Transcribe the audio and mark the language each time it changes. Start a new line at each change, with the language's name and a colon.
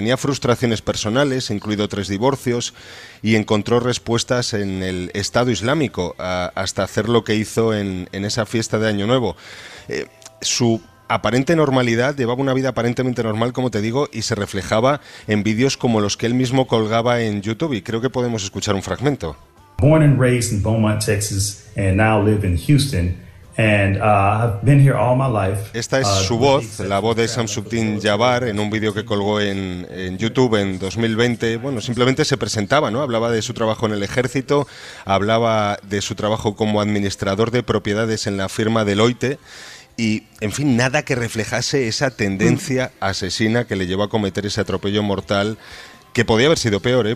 Spanish: Tenía frustraciones personales, incluido 3 divorcios, y encontró respuestas en el Estado Islámico hasta hacer lo que hizo en esa fiesta de Año Nuevo. Su aparente normalidad, llevaba una vida aparentemente normal, como te digo, y se reflejaba en vídeos como los que él mismo colgaba en YouTube, y creo que podemos escuchar un fragmento.
English: Born and raised in Beaumont, Texas, and now live in Houston, and I've been here all my life.
Spanish: Esta es su voz, la voz de Shamsuddin Jabbar, en un vídeo que colgó en YouTube en 2020. Bueno, simplemente se presentaba, ¿no? Hablaba de su trabajo en el ejército, hablaba de su trabajo como administrador de propiedades en la firma Deloitte, y, en fin, nada que reflejase esa tendencia asesina que le llevó a cometer ese atropello mortal, que podía haber sido peor, ¿eh?